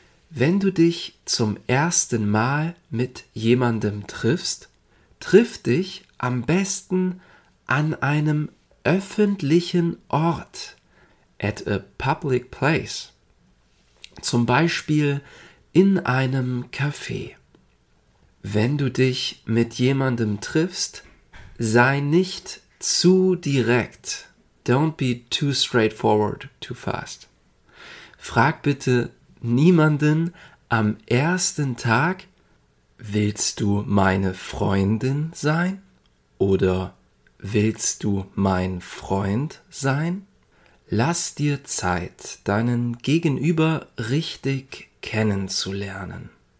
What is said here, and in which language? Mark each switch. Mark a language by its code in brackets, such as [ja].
[de] Wenn du dich zum ersten Mal mit jemandem triffst, triff dich am besten an einem öffentlichen Ort. [en] At a public place. [de] Zum Beispiel in einem Café. Wenn du dich mit jemandem triffst, sei nicht zu direkt. [en] Don't be too straightforward, too fast. [de] Frag bitte niemanden am ersten Tag, willst du meine Freundin sein? Oder willst du mein Freund sein? Lass dir Zeit, deinen Gegenüber richtig kennenzulernen.